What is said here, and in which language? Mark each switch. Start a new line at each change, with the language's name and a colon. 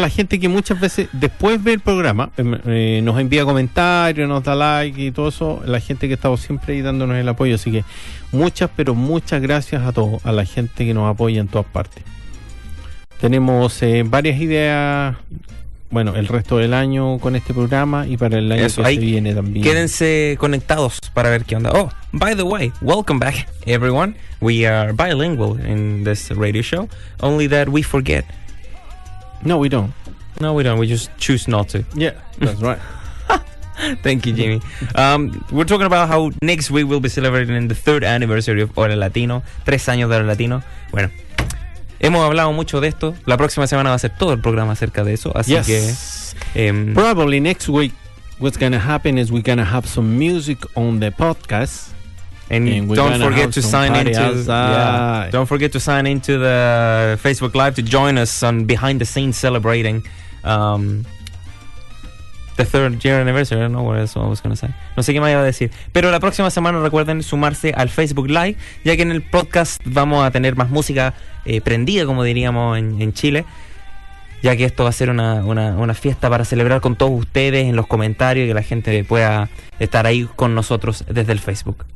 Spanish: La gente que muchas veces después ve el programa, nos envía comentarios, nos da like y todo eso, la gente que estaba siempre ahí dándonos el apoyo. Así que muchas, pero muchas gracias a todos, a la gente que nos apoya en todas partes. Tenemos varias ideas, bueno, el resto del año con este programa y para el año que viene también. Quédense conectados para ver qué onda.
English: Oh, by the way, welcome back, everyone. We are bilingual in this radio show, only that we forget. No, we don't. No, we don't. We just choose not to. Yeah, that's right. Thank you, Jimmy. We're talking about how next week we'll be celebrating the 3rd anniversary of Hola Latino,
Spanish: 3 años de Hola Latino. Bueno, hemos hablado mucho de esto. La próxima semana va a ser todo el programa acerca de eso. Así
English: yes.
Spanish: que...
English: Probably next week, what's going to happen is we're going to have some music on the podcast. And don't forget to sign into... Don't forget to sign into the Facebook Live to join us on behind the scenes celebrating the 3rd year anniversary. I don't know what else I was going to say.
Spanish: No sé qué me iba a decir. Pero la próxima semana recuerden sumarse al Facebook Live, ya que en el podcast vamos a tener más música prendida, como diríamos en Chile, ya que esto va a ser una fiesta para celebrar con todos ustedes en los comentarios y que la gente pueda estar ahí con nosotros desde el Facebook.